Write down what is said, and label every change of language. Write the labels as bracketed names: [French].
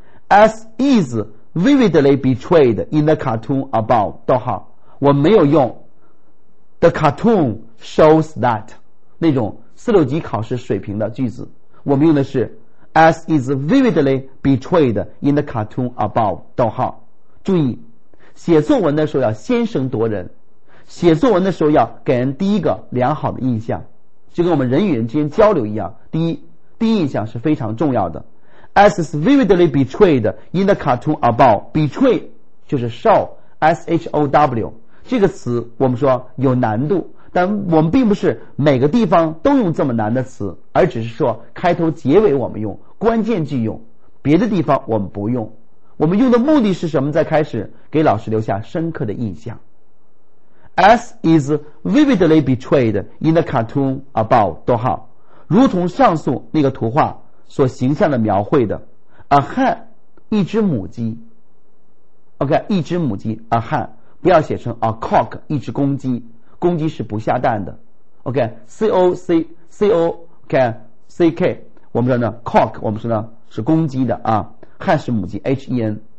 [English] As is vividly betrayed in the cartoon above. [Chinese] 逗号，我没有用。 [English] The cartoon shows that. [Chinese] 那种四六级考试水平的句子。我们用的是 [English] as is vividly betrayed in the cartoon above. [Chinese] 逗号。注意，写作文的时候要先声夺人。写作文的时候要给人第一个良好的印象，就跟我们人与人之间交流一样，第一印象是非常重要的。 [English] As is vividly betrayed in the cartoon above. [Chinese] Betray 就是 show, S-H-O-W 这个词我们说有难度，但我们并不是每个地方都用这么难的词，而只是说开头结尾我们用，关键句用，别的地方我们不用。我们用的目的是什么？在开始给老师留下深刻的印象。 [English] As is vividly betrayed in the cartoon above. [Chinese] 逗号，如同上述那个图画所形象的描绘的 ，a hen 一只母鸡。 OK， 一只母鸡 ，a hen 不要写成 a cock 一只公鸡，公鸡是不下蛋的。 OK，cock 我们说呢 ，cock 我们说呢是公鸡的啊 ，hen 是母鸡 ，hen。